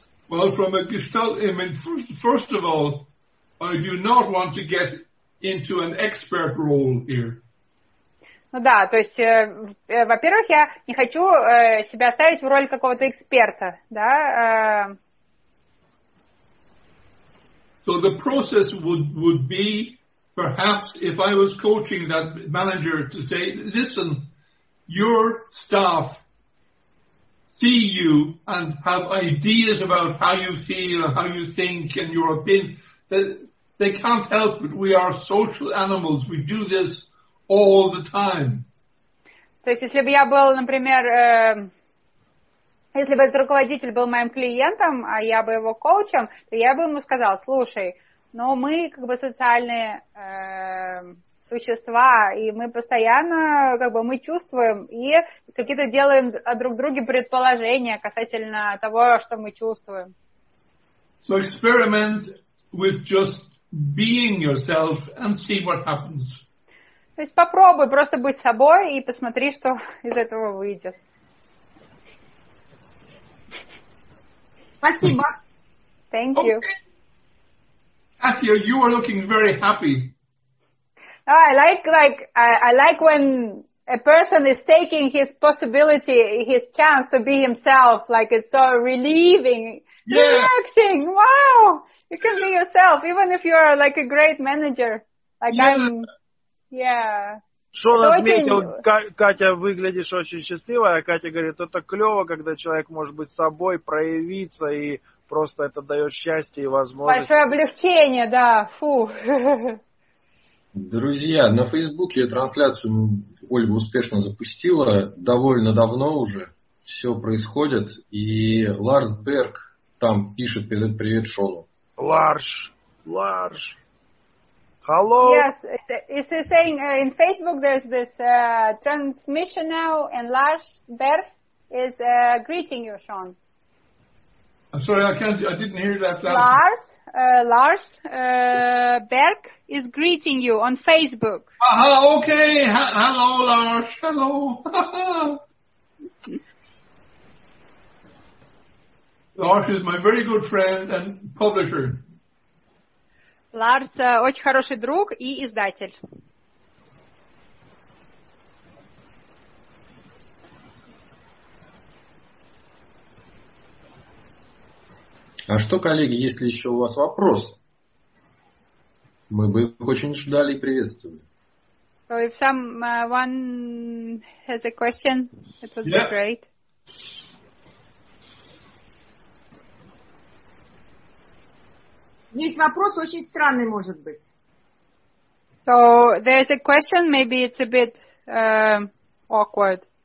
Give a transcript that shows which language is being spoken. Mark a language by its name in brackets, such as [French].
[English] Well, from a Gestalt image, first of all, I do not want to get into an expert role here. [Russian] Ну да, то есть, во-первых, я не хочу себя ставить в роль какого-то эксперта, да. [English] So the process would be, perhaps, if I was coaching that manager to say, listen, your staff see you and have ideas about how you feel and how you think and your opinion. They can't help it. We are social animals. We do this all the time. [Russian] То есть, если бы я был, например, если бы этот руководитель был моим клиентом, а я бы его коучем, то я бы ему сказал: слушай, ну мы как бы социальные существа, и мы постоянно как бы мы чувствуем и какие-то делаем о друг друге предположения касательно того, что мы чувствуем. [English] So experiment with just being yourself and see what happens. [Russian] То есть попробуй просто быть собой и посмотри, что из этого выйдет. Спасибо. [English] Thank you. Okay. Katya, you are looking very happy. I like when a person is taking his possibility, his chance to be himself. Like it's so relieving, yeah. Relaxing. Wow, you can be yourself, even if you are like a great manager. Like yeah. Yeah. [Russian] Шон отметил, Катя, выглядишь очень счастливой, а Катя говорит, это клево, когда человек может быть собой, проявиться, и просто это дает счастье и возможность. Большое облегчение, да, фу. Друзья, на Фейсбуке трансляцию Ольга успешно запустила, довольно давно уже все происходит, и Ларс Берг там пишет передать привет Шону. [English] Ларш. Hello. Yes, is he saying in Facebook there's this transmission now, and Lars Berg is greeting you, Sean. I'm sorry, I didn't hear that. Lars Berg is greeting you on Facebook. Hello, Lars. Hello. Lars is my very good friend and publisher. [Russian] Ларс очень хороший друг и издатель. А что, коллеги, есть ли еще у вас вопрос? Мы бы их очень ждали и приветствовали. [English] So if someone has a question, it would be great. [Russian] Есть вопрос очень странный, может быть. [English] So there's a question, maybe it's a bit awkward.